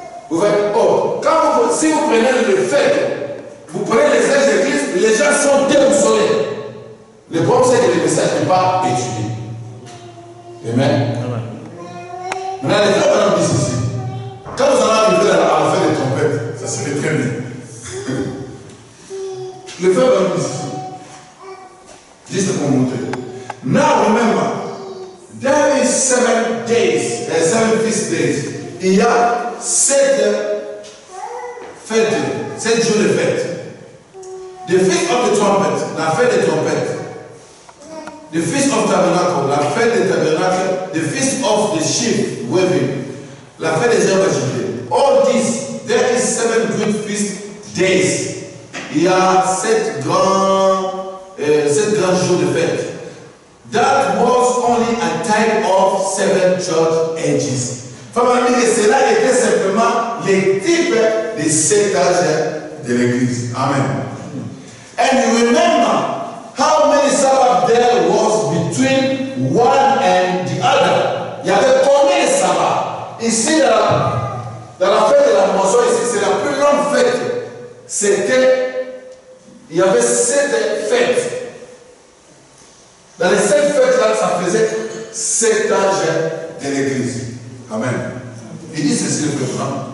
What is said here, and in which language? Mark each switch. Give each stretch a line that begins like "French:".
French: Vous voyez, oh, quand vous, si vous prenez le fait, vous prenez les âges de l'Église, les gens sont déboussolés. Le problème, c'est que le message n'est pas étudié. Amen. Maintenant, les gens vont dire ceci. Quand nous allons arriver à la fin des trompettes, ça serait très bien. Les gens vont dire ceci. Juste pour montrer.
English: Now remember, there is 7 days, there is 7 feast days.
French: Il y a 7 fêtes, 7 jours de fête.
English: The feast of the trumpet,
French: la fête des trompettes.
English: The feast of tabernacle,
French: la fête des tabernacles,
English: the feast of the sheaf waving,
French: la fête des herbes agitées.
English: All this, there is 7 good feast days.
French: Il y a 7 grands jours de fête.
English: That was only a type of 7 church ages.
French: Famille, cela était simplement les types des 7 âges de l'Église. Amen.
English: And you remember how many Sabbaths there was between one and the other.
French: Il y avait combien de Sabbaths? Ici, dans la fête de la moisson, ici, c'est la plus longue fête. C'était, il y avait 7 fêtes. Dans les 7 fêtes-là, ça faisait 7 âges de l'Église. Amen. Il dit ceci, le frère.